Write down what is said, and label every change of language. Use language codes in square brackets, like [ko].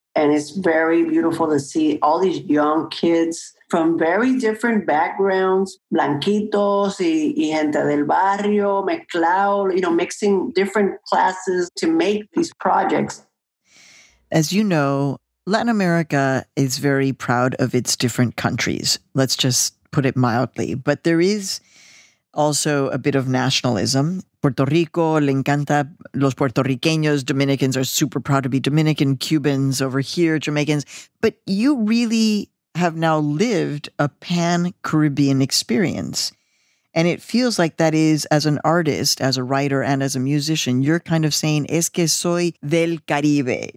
[en] And it's very beautiful to see all these young kids from very different backgrounds, [es] blanquitos y gente del barrio, mezclao, [en] you know, mixing different classes to make these projects. As you know, Latin America is very proud of its different countries. Let's just put it mildly. But there is also a bit of nationalism. [es] Puerto Rico, le encanta los puertorriqueños. [en] Dominicans are super proud to be Dominican. Cubans over here, Jamaicans. But you really have now lived a pan-Caribbean experience. And it feels like that is, as an artist, as a writer, and as a musician, you're kind of saying, [es] es que soy del Caribe.